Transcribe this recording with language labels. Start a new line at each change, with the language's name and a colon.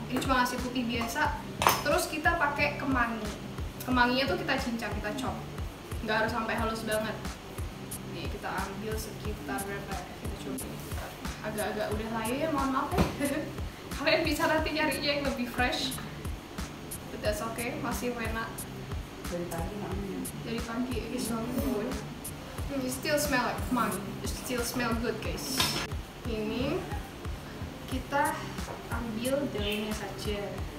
Indonesian: Ini cuma nasi putih biasa, terus kita pakai kemangi. Kemanginya tuh kita cincang, kita chop, nggak harus sampai halus banget. Ini ya, kita ambil sekitar berapa ya, kita coba agak-agak udah layu ya, mohon maaf ya. Kalian bisa nanti nyarinya yang lebih fresh,
English: but that's okay,
Indonesian: masih enak. Dari pagi namanya. Dari pagi,
English: it's not good. It still smell like fun, it still smell good guys.
Indonesian: Ini kita ambil dalamnya saja.